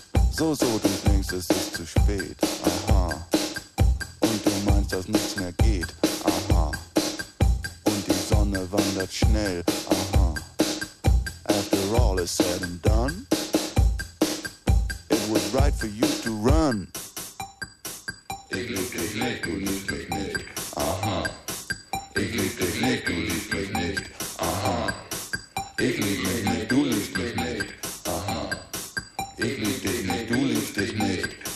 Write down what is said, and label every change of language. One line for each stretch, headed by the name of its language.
German: So, du denkst, es ist zu spät, aha. Und du meinst, dass nichts mehr geht, aha. Und die Sonne wandert schnell, aha.
English: After all is said and done, it was right for you to run.
German: Ich lieb dich nicht, du liebst mich nicht, aha. Ich lieb dich nicht, du liebst mich nicht, aha. Ich lieb mich nicht, du liebst mich nicht, aha. Ich lieb dich nicht, du liebst dich nicht.